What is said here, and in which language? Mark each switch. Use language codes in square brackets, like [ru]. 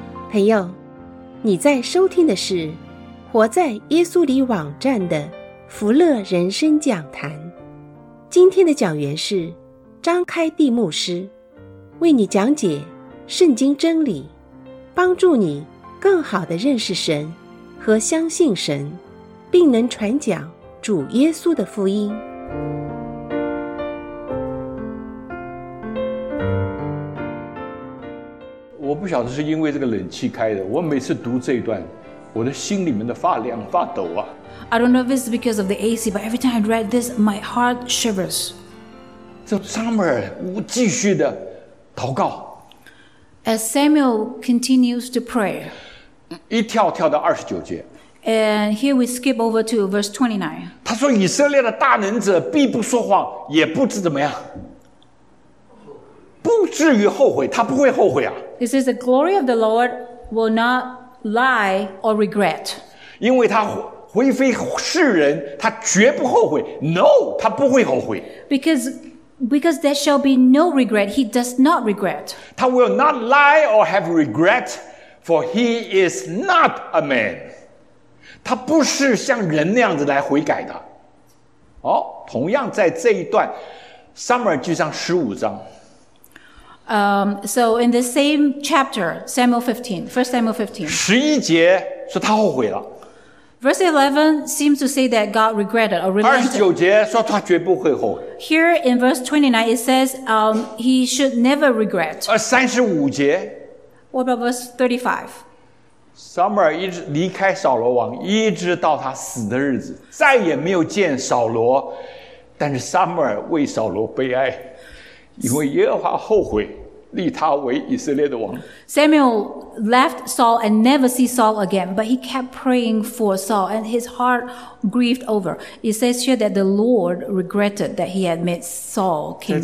[zh] 朋友，你在收听的是活在耶稣里网站的福乐人生讲坛，今天的讲员是张开地牧师，为你讲解圣经真理，帮助你更好地认识神和相信神，并能传讲主耶稣的福音。我不晓得是因为这个冷气开的，我每次读这一段，我的心里面的发凉发抖啊。 [en] I don't know if it's because of the AC, but every time I read this, my heart shivers. [zh] 这 Samuel 继续的祷告。 [en] As Samuel continues to pray. [zh] 一跳跳到二十九节。 [en] And here we skip over to verse 29. [zh] 他说以色列的大能者必不说谎，也不知怎么样。不至于后悔，他不会后悔啊。 [en] It says the glory of the Lord will not lie or regret. [zh] 因为他灰飞世人，他绝不后悔。 No, 他不会后悔。 [en] Because there shall be no regret, he does not regret. 他 will not lie or have regret, for he is not a man. [zh] 他不是像人那样子来悔改的。哦，同样在这一段 ，Samuel 记上十五章。 [en] So in the same chapter, Samuel 15, 1 Samuel 15. [zh] 十一节说他后悔了。 [en] Verse 11 seems to say that God regretted or relented. [zh] 29节说他绝不会后悔。 [en] Here in verse 29 it says he should never regret. [zh] 35节。 [en] What about verse 35? [zh] Samuel 一直离开扫罗王，一直到他死的日子，再也没有见扫罗。但是 Samuel 为扫罗悲哀，因为耶和华后悔立他为以色列的王。 [en] Samuel left Saul and never see Saul again, but he kept praying for Saul and his heart grieved over. It says here that the Lord regretted that he had made Saul king over Israel.